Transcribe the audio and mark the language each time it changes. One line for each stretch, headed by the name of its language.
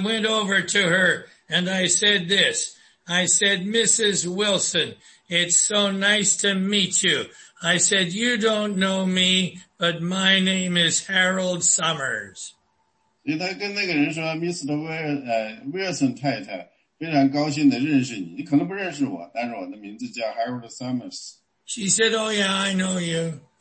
English: I went over to her and I said this. I said, Mrs. Wilson, it's so nice to meet you. I said, you don't know me, but my name is Harold Summers.
Chinese: 所以他跟那个人说，Mr.Wilson太太，非常高兴的认识你。你可能不认识我，但是我的名字叫Harold Summers。
English: She said, oh yeah, I know you.